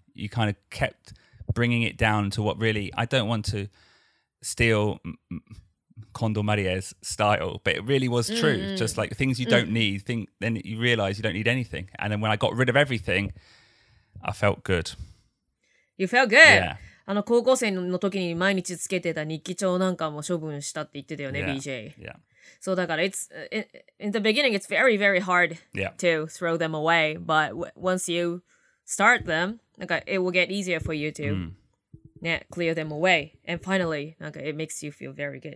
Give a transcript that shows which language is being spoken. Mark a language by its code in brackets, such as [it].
[en] You kind of kept bringing it down to what really I don't want to steal Condo Marie's style, but it really was true. Just like things you don't need, then you realize you don't need anything. And then when I got rid of everything, I felt good. You felt good? Yeah. [ja] あの高校生の時に毎日つけてた日記帳なんかも処分したって言ってたよね、 [en] yeah. BJ. Yeah. So [ja] だから [en] it's, in the beginning, it's very, very hard、 yeah. to throw them away. But once you start them, なんか it will get easier for you to. Yeah, clear them away. And finally, okay, it makes you feel very good.